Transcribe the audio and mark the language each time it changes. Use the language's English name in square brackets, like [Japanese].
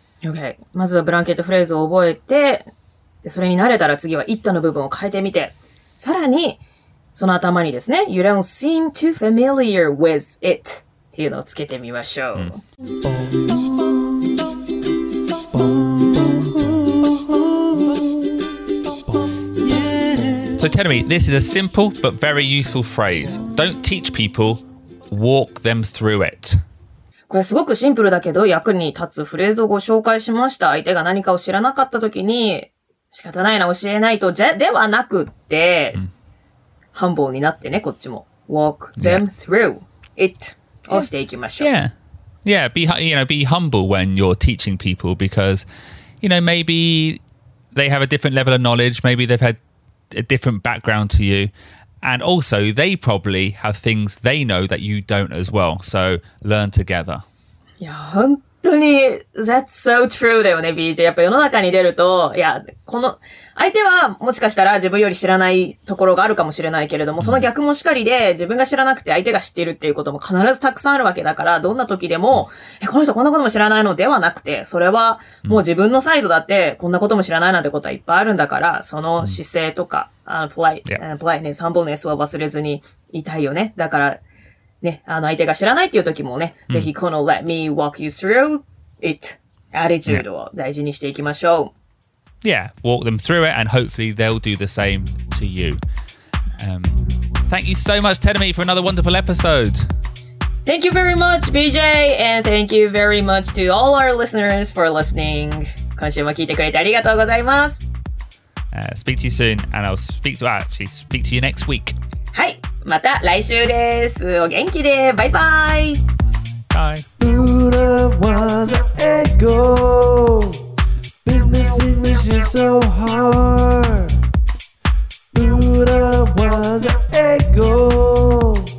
[Japanese] Okay, まずはブランケットフレーズを覚えて、でそれに慣れたら次は it の部分を変えてみて、さらにその頭にですね、 [English] You don't seem too familiar with it [Japanese] っていうのをつけてみましょう。 [English] So Tenomi, this is a simple but very useful phrase. Don't teach people, walk them through it. [Japanese] これすごくシンプルだけど役に立つフレーズをご紹介しました。相手が何かを知らなかった時に仕方ないな、教えないと、ではなくって、半謀になってね、こっちも。 [English] Walk them through it [Japanese] をしていきましょう。 [English] Be humble when you're teaching people because, you know, maybe they have a different level of knowledge, maybe they've had a different background to you, and also they probably have things they know that you don't as well. So learn together. [Japanese] いや、本当に、 [English] that's so true [Japanese] だよね、BJ。やっぱ世の中に出ると、いや、この、相手はもしかしたら自分より知らないところがあるかもしれないけれども、その逆もしかりで自分が知らなくて相手が知っているっていうことも必ずたくさんあるわけだから、どんな時でも、この人こんなことも知らないのではなくて、それはもう自分のサイドだってこんなことも知らないなんてことはいっぱいあるんだから、その姿勢とか、politeness、humbleness は忘れずにいたいよね。だから、ね、相手が知らないっていう時もね、ぜひこの [English] let me walk you through it [Japanese] attitude を大事にしていきましょう。 [English] Yeah, walk them through it and hopefully they'll do the same to you. Thank you so much, Tenomi, for another wonderful episode. Thank you very much, BJ, and thank you very much to all our listeners for listening. [Japanese] 今週も聞いてくれてありがとうございます。 [English] Speak to you soon, and I'll speak to you next week. [Japanese] はい、また来週です。お元気で、バイバイ。 [English] Bye. Buddha was an ego. Business English is so hard. Buddha was an ego.